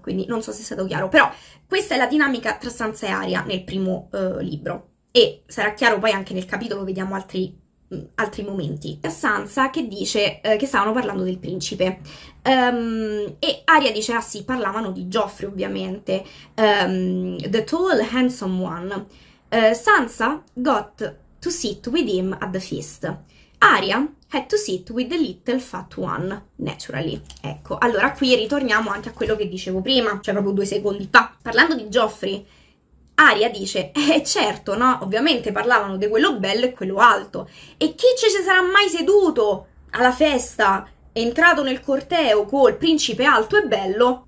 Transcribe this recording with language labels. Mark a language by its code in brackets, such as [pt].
[it] Quindi non so se è stato chiaro, però questa è la dinamica tra Sansa e Arya nel primo libro. E sarà chiaro poi anche nel capitolo, vediamo altri momenti. Sansa che dice che stavano parlando del principe. E Arya dice: ah sì, parlavano di Joffrey ovviamente. [en] The tall, handsome one. Sansa got to sit with him at the feast. Ah, Aria had to sit with the little fat one, naturally. [it] Ecco, allora qui ritorniamo anche a quello che dicevo prima, cioè proprio 2 secondi fa. Parlando di Joffrey, Aria dice, certo, no, ovviamente parlavano di quello bello e quello alto. E chi ci sarà mai seduto alla festa, entrato nel corteo col principe alto e bello?